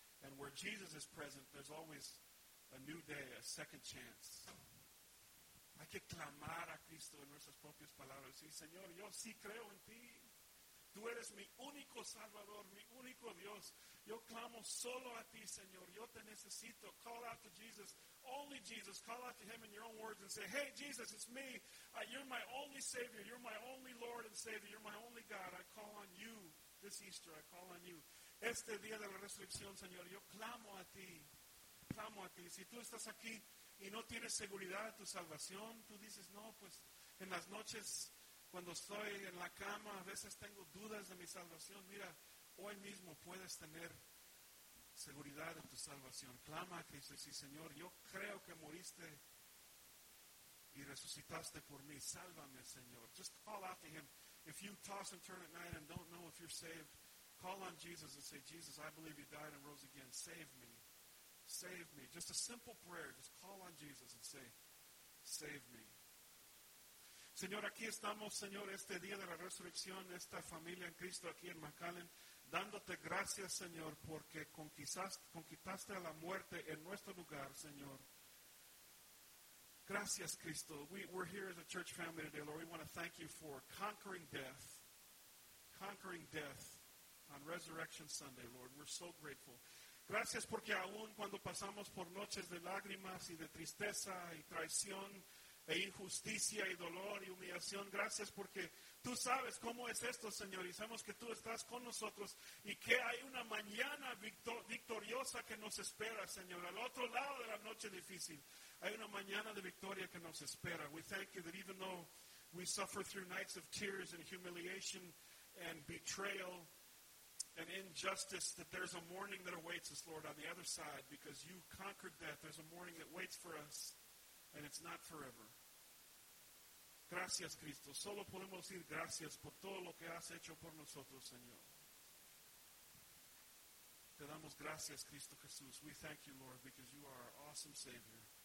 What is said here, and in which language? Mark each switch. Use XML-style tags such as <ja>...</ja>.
<en>And where Jesus is present, there's always a new day, a second chance.</en> <es>Hay que clamar a Cristo en nuestras propias palabras. Sí, Señor, yo sí creo en ti. Tú eres mi único Salvador, mi único Dios. Yo clamo solo a ti, Señor. Yo te necesito.</es> <en>Call out to Jesus. Only Jesus. Call out to him in your own words and say, hey, Jesus, it's me. You're my only Savior. You're my only Lord and Savior. You're my only God. I call on you this Easter. I call on you.</en> <es>Este día de la resurrección, Señor, yo clamo a ti. Clamo a ti. Si tú estás aquí y no tienes seguridad de tu salvación, tú dices, no, pues en las noches, cuando estoy en la cama, a veces tengo dudas de mi salvación. Mira, hoy mismo puedes tener seguridad en tu salvación. Clama a Cristo y dice, Señor, yo creo que moriste y resucitaste por mí. Sálvame, Señor.</es> <en>Just call out to him. If you toss and turn at night and don't know if you're saved, call on Jesus and say, Jesus, I believe you died and rose again. Save me. Save me. Just a simple prayer. Just call on Jesus and say, save me.</en> <es>Señor, aquí estamos, Señor, este día de la resurrección, esta familia en Cristo aquí en McAllen, dándote gracias, Señor, porque conquistaste a la muerte en nuestro lugar, Señor. Gracias, Cristo.</es> <en>We're here as a church family today, Lord. We want to thank you for conquering death on Resurrection Sunday, Lord. We're so grateful.</en> <es>Gracias porque aún cuando pasamos por noches de lágrimas y de tristeza y traición, e injusticia y dolor y humillación. Gracias porque tú sabes cómo es esto, Señor. Y sabemos que tú estás con nosotros y que hay una mañana victoriosa que nos espera, Señor. Al otro lado de la noche difícil, hay una mañana de victoria que nos espera.</es> <en>We thank you that even though we suffer through nights of tears and humiliation and betrayal and injustice, that there's a morning that awaits us, Lord, on the other side because you conquered death. There's a morning that waits for us. And it's not forever.</en> <es>Gracias, Cristo. Solo podemos decir gracias por todo lo que has hecho por nosotros, Señor. Te damos gracias, Cristo Jesús.</es> <en>We thank you, Lord, because you are our awesome Savior.</en>